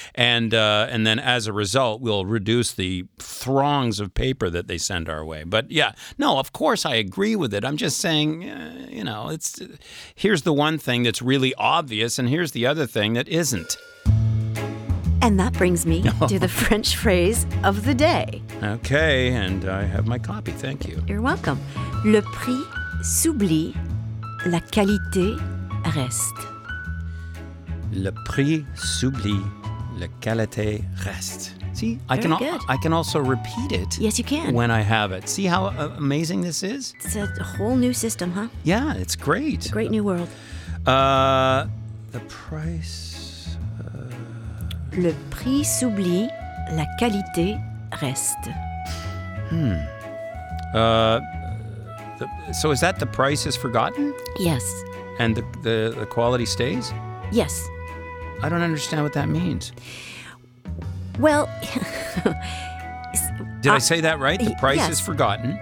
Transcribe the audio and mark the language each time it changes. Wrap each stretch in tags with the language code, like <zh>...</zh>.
<en>And then as a result, we'll reduce the throngs of paper that they send our way. But yeah, no, of course I agree with it. I'm just saying, you know, it's here's the one thing that's really obvious, and here's the other thing that isn't. And that brings me to the French phrase of the day. Okay, and I have my copy. Thank you. You're welcome.</en> <fr>Le prix s'oublie, la qualité reste. Le prix s'oublie, la qualité reste.</fr> <en>See, very I can good. I can also repeat it. Yes, you can. When I have it. See how amazing this is? It's a whole new system, huh? Yeah, it's great. A great new world. The price...</en> <fr>Le prix s'oublie, la qualité reste. Hmm.</fr> <en>So is that the price is forgotten? Yes. And the quality stays? Yes. I don't understand what that means. Well... Did I say that right? The price is forgotten?</en>